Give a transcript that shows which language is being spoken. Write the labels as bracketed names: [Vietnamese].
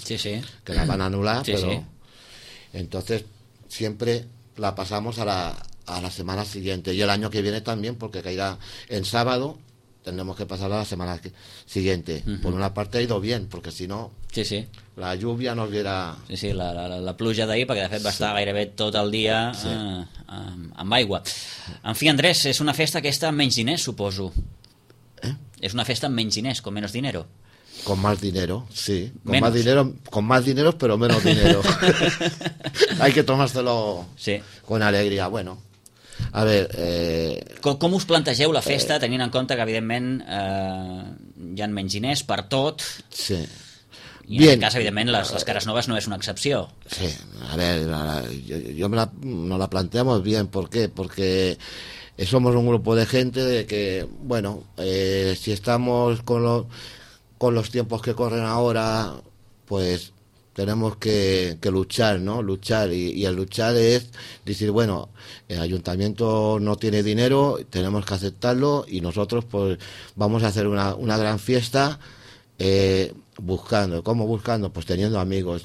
[Spanish] sí, sí. que la van a anular, sí, pero sí. Entonces siempre la pasamos a la semana siguiente y el año que viene también, porque caiga en sábado. Tendremos que pasar a la semana siguiente. Uh-huh. Por una parte ha ido bien, porque si no... Sí, sí. La lluvia no hubiera... [Catalan] Sí, sí, la pluja d'ahir, perquè de fet va estar gairebé tot el dia amb aigua. En fi, Andrés, és una festa aquesta amb menys diners, suposo. Eh? És una festa amb menys diners, [Spanish] con menos dinero. Con más dinero, sí. Con más dinero, pero menos dinero. Hay que tomárselo sí. con alegría, bueno... A ver, [Catalan] com us plantegeu la festa, tenint en compte que, evidentment, hi ha menys diners per tot? Sí. I en aquest cas, evidentment, les cares noves no és una excepció. [Spanish] Sí, a ver, nos la planteamos bien. ¿Por qué? Porque somos un grupo de gente de que, bueno, si estamos con los tiempos que corren ahora, pues... Tenemos que luchar, ¿no? Luchar. Y el luchar es decir, bueno, el ayuntamiento no tiene dinero, tenemos que aceptarlo y nosotros pues vamos a hacer una gran fiesta buscando. ¿Cómo buscando? Pues teniendo amigos.